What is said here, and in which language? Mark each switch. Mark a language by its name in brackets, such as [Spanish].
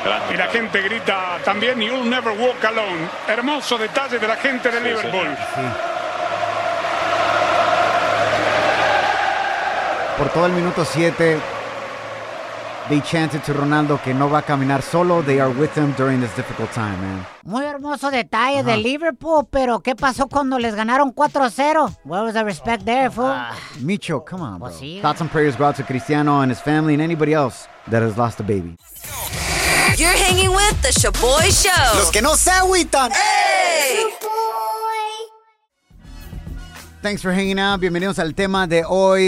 [Spanish] Y la gente grita también, [English] you'll never walk alone. [Spanish] Hermoso detalle de la gente de Liverpool. Sí, sí, sí. Por todo el minuto 7, [English] they chanted to Ronaldo [Spanish] que no va a caminar solo. [English] They are with him during this difficult time, man. [Spanish] Muy hermoso detalle de Liverpool, pero ¿qué pasó cuando les ganaron 4-0? [English] Where was the respect there, fool? Micho, come on, bro. [Spanish] Pues sí. [English] Thoughts and prayers go out to Cristiano and his family and anybody else that has lost a baby. You're hanging with the Shaboy Show. [Spanish] Los que no se agüitan. [English] Hey! Thanks for hanging out. [Spanish] Bienvenidos al tema de hoy.